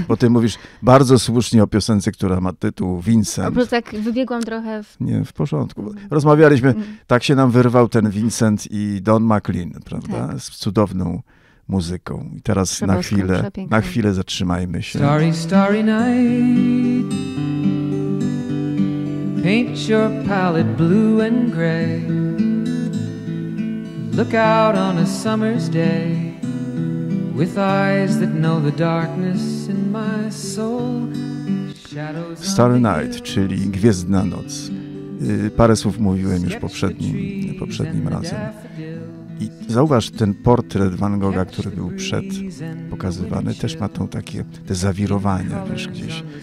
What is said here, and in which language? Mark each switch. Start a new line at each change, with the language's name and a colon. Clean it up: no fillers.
Polish: Bo ty mówisz bardzo słusznie o piosence, która ma tytuł Vincent. A po prostu tak wybiegłam trochę w... Nie, w porządku. Rozmawialiśmy, tak się nam wyrwał ten Vincent i Don McLean, prawda? Tak. Z cudowną muzyką. I teraz na chwilę zatrzymajmy się.
English: Starry, starry night. Paint your palette blue and gray. Look out on a summer's day. With eyes that know the darkness in my soul.
Polish: Starry Night, czyli Gwiezdna Noc. Parę słów mówiłem już poprzednim razem. I zauważ, ten portret Van Gogha, który był przed pokazywany, też ma tą takie, te zawirowania, wiesz, gdzieś.